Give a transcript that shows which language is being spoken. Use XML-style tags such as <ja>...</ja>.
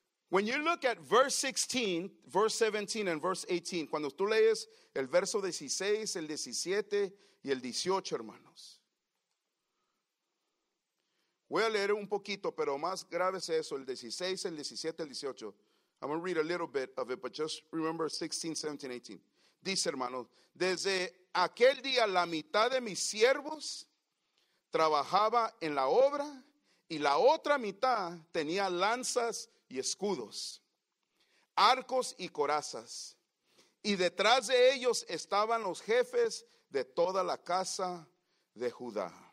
<en>When you look at verse 16, verse 17, and verse 18,</en> <es>cuando tú lees el verso 16, el 17 y el 18, hermanos. Voy a leer un poquito, pero más grave es eso, el 16, el 17, el 18.</es> <en>I'm going to read a little bit of it, but just remember 16, 17, 18.</en> <es>Dice, hermanos, desde aquel día la mitad de mis siervos trabajaba en la obra y la otra mitad tenía lanzas y escudos, arcos y corazas. Y detrás de ellos estaban los jefes de toda la casa de Judá.</es>